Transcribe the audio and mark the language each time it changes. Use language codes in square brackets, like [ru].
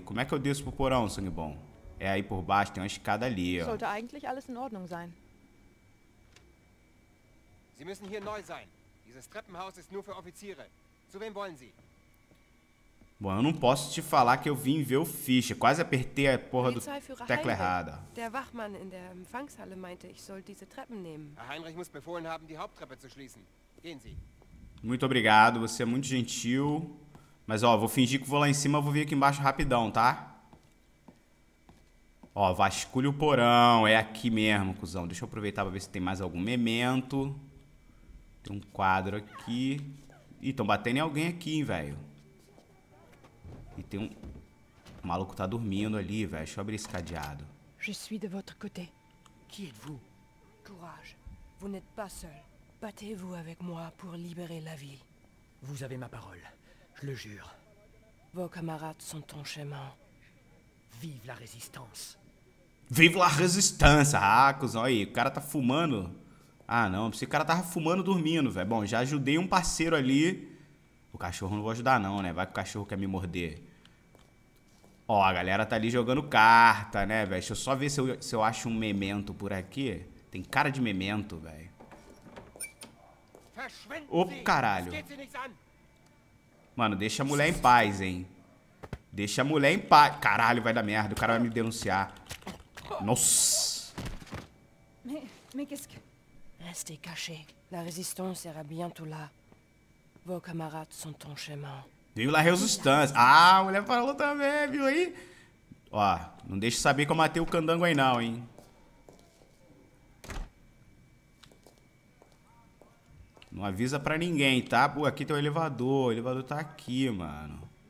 [pt] Como é que eu desço pro porão, sangue bom? É aí por baixo, tem uma escada ali, ó. [de] Sollte eigentlich alles in Ordnung sein. Sie müssen hier neu sein. Dieses Treppenhaus ist nur für Offiziere. Zu wem wollen Sie? [pt] Bom, eu não posso te falar que eu vim ver o Fischer. Quase apertei a porra do tecla errada. Der Wachmann in der Empfangshalle meinte, ich soll diese Treppen nehmen. Herr Heinrich muss befohlen haben, die Haupttreppe zu schließen. Gehen Sie. Muito obrigado, você é muito gentil. Mas ó, vou fingir que vou lá em cima, vou vir aqui embaixo rapidão, tá? Ó, vasculhe o porão, é aqui mesmo, cuzão. Deixa eu aproveitar pra ver se tem mais algum memento. Tem um quadro aqui. Ih, estão batendo em alguém aqui, hein, velho. E tem um... O maluco tá dormindo ali, velho. Deixa eu abrir esse cadeado. [fr] Je suis de votre côté. Qui êtes-vous? Courage. Vous n'êtes pas seul. Battez-vous avec moi pour libérer la ville. Vous avez ma parole. Je le jure. Vos camarades sont en chemin. Vive la résistance. [pt] Vive la resistência! Ah, cuzão, aí, o cara tá fumando. Ah, não, esse cara tava fumando dormindo, velho. Bom, já ajudei um parceiro ali. O cachorro não vou ajudar não, né? Vai que o cachorro quer me morder. Ó, a galera tá ali jogando carta, né, velho? Deixa eu só ver se eu acho um memento por aqui. Tem cara de memento, velho. Ô, caralho. Mano, deixa a mulher em paz, hein? Deixa a mulher em paz. Caralho, vai dar merda. O cara vai me denunciar. Nossa. Mas o que é? [fr] Restez cachés. La résistance sera bientôt là. Vos camarades sont en chemin. Viu la résistance. [pt] Ah, a mulher falou também, viu aí? Ó, não deixa saber que eu matei o candango aí não, hein? Não avisa pra ninguém, tá? Pô, aqui tem o elevador tá aqui, mano.